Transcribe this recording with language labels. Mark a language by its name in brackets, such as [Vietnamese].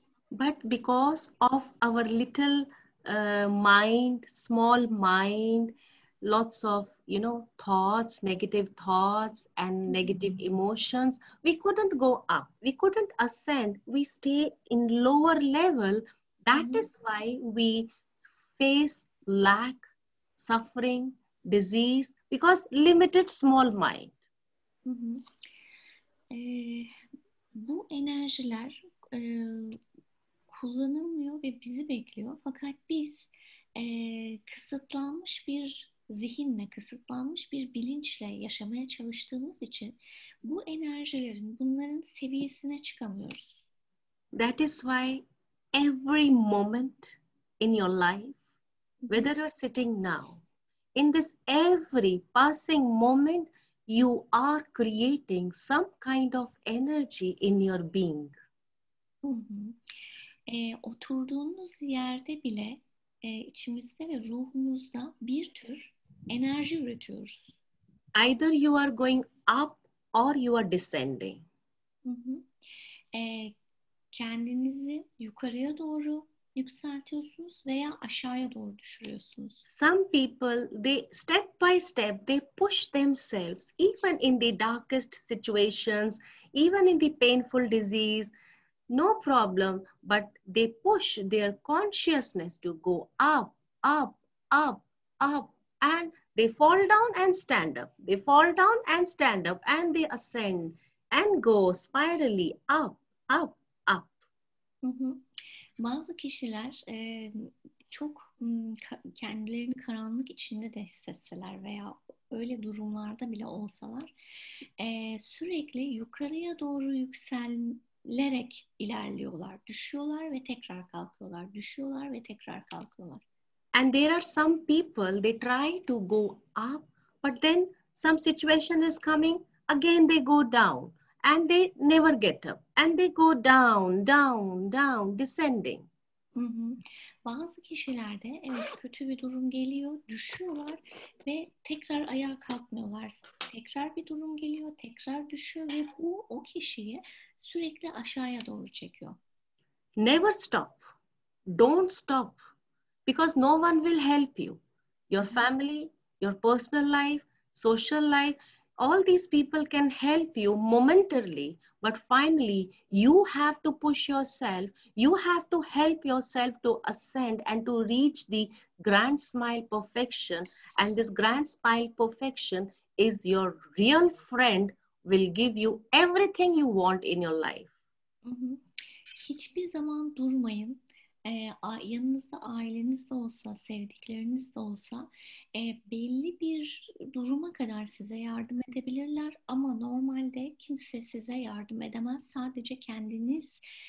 [English] But because of our little mind, small mind, lots of thoughts, negative thoughts and negative emotions, we couldn't go up, we couldn't ascend, we stay in lower level. That is why we face lack, suffering, disease, because limited small mind. [Turkish] Bu enerjiler kullanılmıyor ve bizi bekliyor. Fakat biz kısıtlanmış bir zihinle, kısıtlanmış bir bilinçle yaşamaya çalıştığımız için bu enerjilerin, bunların seviyesine çıkamıyoruz. [English] That is why every moment in your life, whether you're sitting now, in this every passing moment, you are creating some kind of energy in your being. [Turkish] Oturduğumuz yerde bile içimizde ve ruhumuzda bir tür enerji üretiyoruz. [English] Either you are going up or you are descending. [Turkish] Kendinizi yukarıya doğru yükseltiyorsunuz veya aşağıya doğru düşürüyorsunuz. [English] Some people, they step by step, they push themselves, even in the darkest situations, even in the painful disease, no problem, but they push their consciousness to go up, up, up, up, and they fall down and stand up. They fall down and stand up, and they ascend and go spirally up, up. [Turkish] Bazı kişiler çok kendilerini karanlık içinde de hissetseler veya öyle durumlarda bile olsalar sürekli yukarıya doğru yükselerek ilerliyorlar. Düşüyorlar ve tekrar kalkıyorlar. Düşüyorlar ve tekrar kalkıyorlar. [English] And there are some people, they try to go up, but then some situation is coming, again they go down and they never get up. And they go down, down, down, descending. [Turkish] Bazı kişilerde evet kötü bir durum geliyor, düşüyorlar ve tekrar ayağa kalkmıyorlar. Tekrar bir durum geliyor, tekrar düşüyor ve bu o kişiyi sürekli aşağıya doğru çekiyor. [English] Never stop. Don't stop. Because no one will help you. Your family, your personal life, social life, all these people can help you momentarily, but finally, you have to push yourself, you have to help yourself to ascend and to reach the grand smile perfection. And this grand smile perfection is your real friend, will give you everything you want in your life. [Turkish] Hiçbir zaman durmayın. Yanınızda aileniz de olsa, sevdikleriniz de olsa, belli bir duruma kadar size yardım edebilirler. Ama normalde kimse size yardım edemez. Sadece kendiniz